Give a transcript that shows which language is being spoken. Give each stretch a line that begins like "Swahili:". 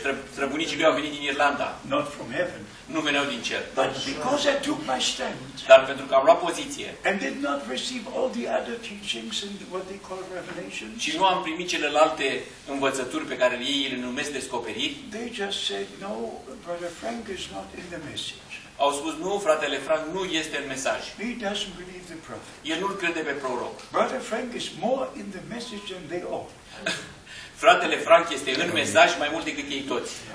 Romanian: Străbunicii lui au venit din Irlanda.
English: Not from heaven.
Romanian: Nu veneau din cer.
English: But because I took my stand.
Romanian: Dar pentru că am luat poziție.
English: And did not receive all the other teachings and what they call revelations.
Romanian: Și nu am primit celelalte învățături pe care ei le numesc descoperiri.
English: They just said, no, Brother Frank is not in the message.
Romanian: Au spus, nu, fratele Frank nu este în mesaj.
English: He doesn't believe the prophet.
Romanian: El nu crede pe proroc.
English: Brother Frank is more in the message than they all.
Romanian: Fratele Frank este în mesaj mai mult decât ei toți.